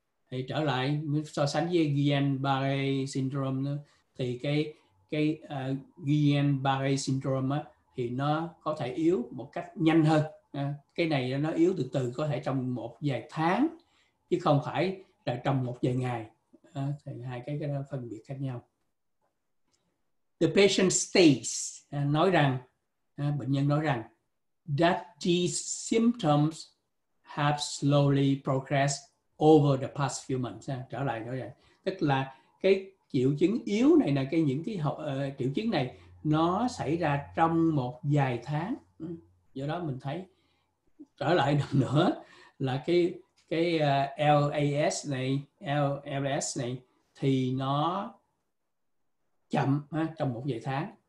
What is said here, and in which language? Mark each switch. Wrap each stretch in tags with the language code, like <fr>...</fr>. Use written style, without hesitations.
<vi>Thì trở lại so sánh với Guillain-Barré syndrome nữa, thì cái Guillain-Barré syndrome á, thì nó có thể yếu một cách nhanh hơn. Cái này nó yếu từ từ, có thể trong một vài tháng chứ không phải là trong một vài ngày. Thì hai cái đó phân biệt khác nhau.</vi> <en>The patient states,</en> <vi>nói rằng, bệnh nhân nói rằng</vi> <en>that these symptoms have slowly progressed over the past few months.</en> <vi>Trở lại nói vậy, tức là cái triệu chứng yếu này là cái những cái triệu chứng này nó xảy ra trong một vài tháng. Do đó mình thấy trở lại lần nữa là cái LAS này, LLS này thì nó chậm trong một vài tháng.</vi>